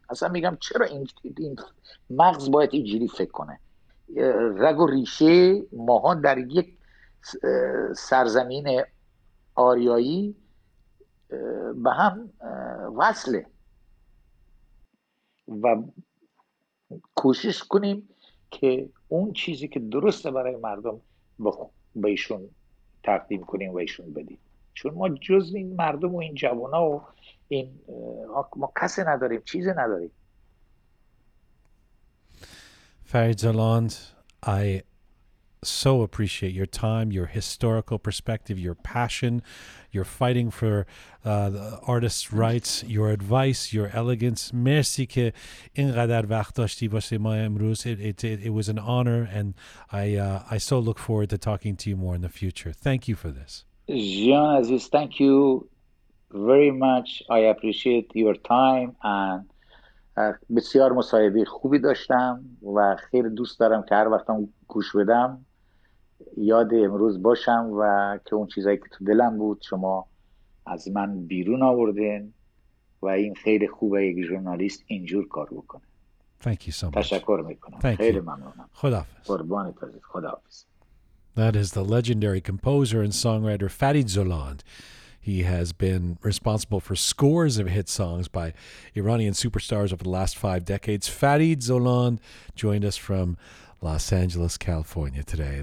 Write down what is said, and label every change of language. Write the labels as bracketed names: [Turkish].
[Persian] اصلا میگم چرا این مغز باید اینجوری فکر کنه؟ رگ و ریشه ماها در یک سرزمین آریایی به هم وصله و کوشش کنیم که اون چیزی که درسته برای مردم بهشون تقدیم کنیم و ایشون بدیم. چون ما جز این مردم و این جوان ها و این ما کسی نداریم، چیزی نداریم. [English] Farid Zaland, I so appreciate your time, your historical perspective, your passion, your fighting for the artists' rights, your advice, your elegance. [Persian] Merci que inqadar vaqt dashti bashe ma amruz. [English] It was an honor, and I so look forward to talking to you more in the future. Thank you for this. Jian Aziz, thank you very much. I appreciate your time and [Persian] بسیار مصاحبه خوبی داشتم و خیلی دوست دارم که هر وقتم گوش بدم یاد امروز باشم و که اون چیزایی که تو دلم بود شما از من بیرون آوردین و این خیلی خوبه یک ژورنالیست اینجور کار بکنه. [English] Thank you so much. [Persian] تشکر میکنم. [English] Thank [Persian] خیلی [English] you. [Persian] ممنونم. خداحافظ. قربانت عزیز. خداحافظ. [English] That is the legendary composer and songwriter Farid Zaland. He has been responsible for scores of hit songs by Iranian superstars over the last 5 decades. Farid Zaland joined us from Los Angeles, California today.